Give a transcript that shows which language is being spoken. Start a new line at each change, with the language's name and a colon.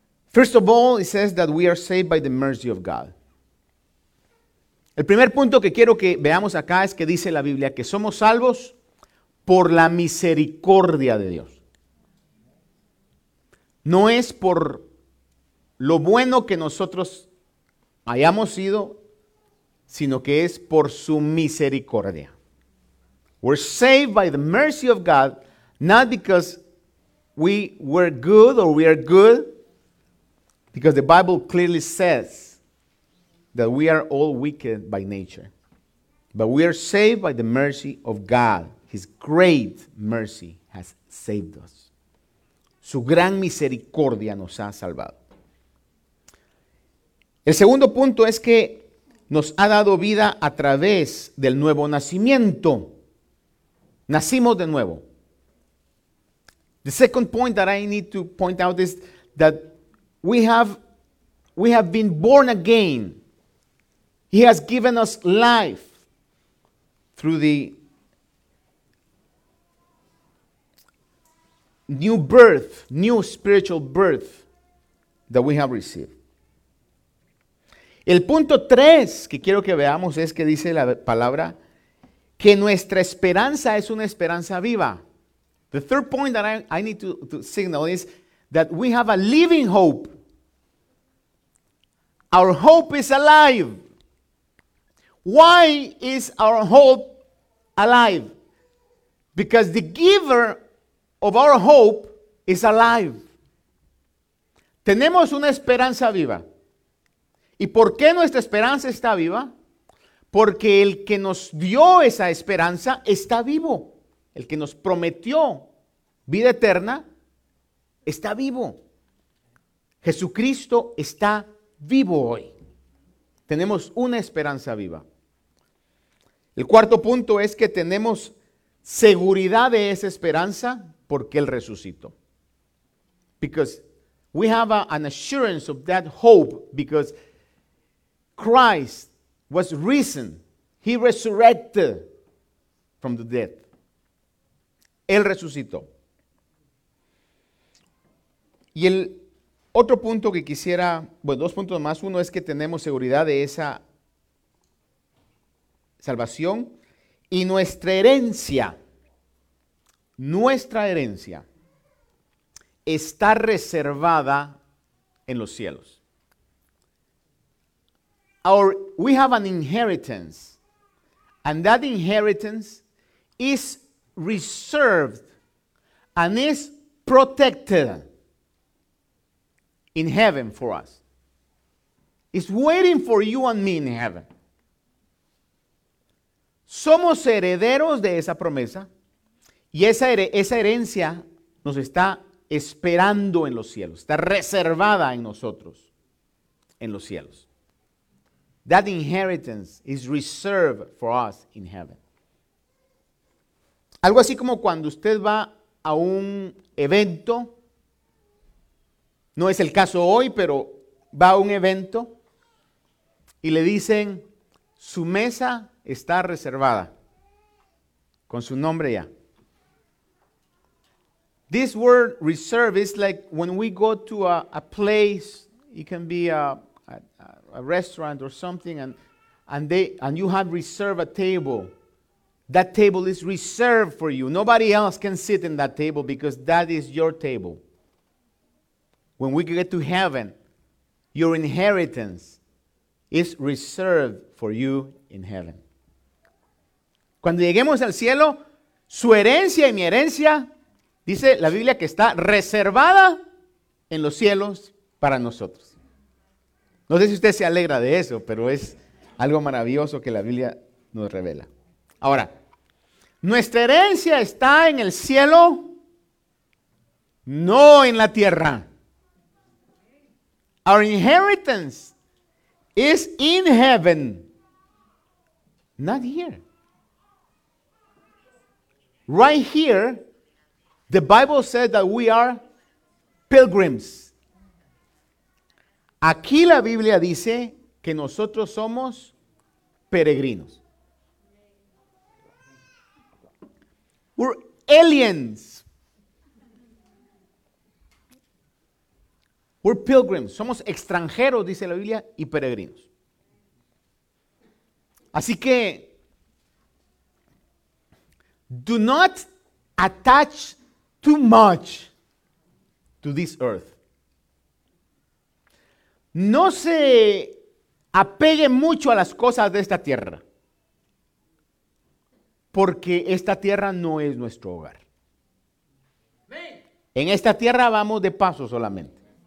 English: First of all, it says that we are saved by the mercy of God.
Spanish: El primer punto que quiero que veamos acá es que dice la Biblia que somos salvos por la misericordia de Dios. No es por lo bueno que nosotros hayamos sido, sino que es por su misericordia.
English: We're saved by the mercy of God, not because we were good or we are good, because the Bible clearly says that we are all wicked by nature. But we are saved by the mercy of God. His great mercy has saved us.
Spanish: Su gran misericordia nos ha salvado. El segundo punto es que nos ha dado vida a través del nuevo nacimiento. Nacimos de nuevo.
English: The second point that I need to point out is that we have been born again. He has given us life through the new birth, new spiritual birth that we have received.
Spanish: El punto tres que quiero que veamos es que dice la palabra que nuestra esperanza es una esperanza viva.
English: The third point that I need to signal is that we have a living hope. Our hope is alive. Why is our hope alive? Because the giver of our hope is alive.
Spanish: Tenemos una esperanza viva. ¿Y por qué nuestra esperanza está viva? Porque el que nos dio esa esperanza está vivo. El que nos prometió vida eterna está vivo. Jesucristo está vivo hoy. Tenemos una esperanza viva. El cuarto punto es que tenemos seguridad de esa esperanza porque Él resucitó.
English: Because we have an assurance of that hope because Christ was risen. He resurrected from the dead.
Spanish: Él resucitó. Y el otro punto que quisiera, bueno, dos puntos más. Uno es que tenemos seguridad de esa salvación y nuestra herencia. Nuestra herencia está reservada en los cielos.
English: Our, we have an inheritance, and that inheritance is reserved and is protected in heaven for us. It's waiting for you and me in heaven.
Spanish: Somos herederos de esa promesa. Y esa herencia nos está esperando en los cielos, está reservada en nosotros, en los cielos.
English: That inheritance is reserved for us in heaven.
Spanish: Algo así como cuando usted va a un evento, no es el caso hoy, pero va a un evento y le dicen, su mesa está reservada, con su nombre ya.
English: This word reserve is like when we go to a place, it can be a restaurant or something, and you have reserved a table. That table is reserved for you. Nobody else can sit in that table because that is your table. When we get to heaven, your inheritance is reserved for you in heaven.
Spanish: Cuando lleguemos al cielo, su herencia y mi herencia, dice la Biblia, que está reservada en los cielos para nosotros. No sé si usted se alegra de eso, pero es algo maravilloso que la Biblia nos revela. Ahora, nuestra herencia está en el cielo, no en la tierra.
English: Our inheritance is in heaven, not here. Right here, the Bible says that we are pilgrims.
Spanish: Aquí la Biblia dice que nosotros somos peregrinos.
English: We're aliens. We're pilgrims.
Spanish: Somos extranjeros, dice la Biblia, y peregrinos. Así que,
English: do not attach too much to this earth.
Spanish: No se apegue mucho a las cosas de esta tierra, porque esta tierra no es nuestro hogar. En esta tierra vamos de paso solamente.